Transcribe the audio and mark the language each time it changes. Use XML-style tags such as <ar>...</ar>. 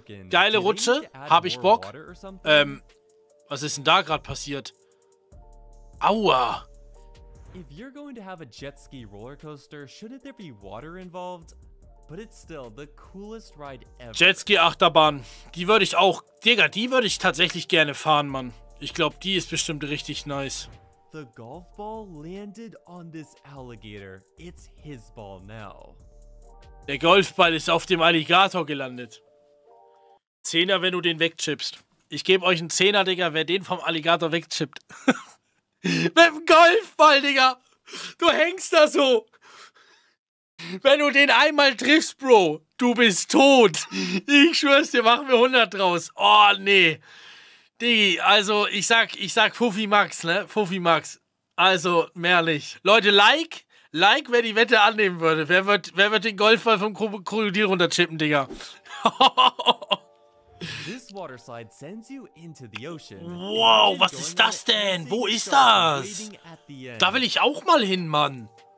<de>Geile Rutsche. Hab ich Bock. Was ist denn da gerade passiert? Aua.</de> <en>If you're going to have a jet ski roller coaster, shouldn't there be water involved? But it's still the coolest ride ever.</en> <de>Jetski-Achterbahn. Die würde ich auch. Digga, die würde ich tatsächlich gerne fahren, Mann. Ich glaube, die ist bestimmt richtig nice.</de> <en>The golf ball landed on this alligator. It's his ball now.</en> <de>Der Golfball ist auf dem Alligator gelandet. Zehner, wenn du den wegchippst. Ich gebe euch einen Zehner, Digga, wer den vom Alligator wegchippt. Mit dem Golfball, Digga. Du hängst da so. Wenn du den einmal triffst, Bro, du bist tot. Ich schwör's dir, machen wir 100 draus. Oh, nee. Digi, also ich sag Fuffi Max, ne? Fuffi Max. Also, mehr nicht. Leute, like, wer die Wette annehmen würde. Wer wird den Golfball vom Krokodil runterchippen, Digga?</de> <en>This waterside sends you into the ocean.</en> <de>Wow, was ist das denn? Wo ist das? Da will ich auch mal hin, Mann.</de>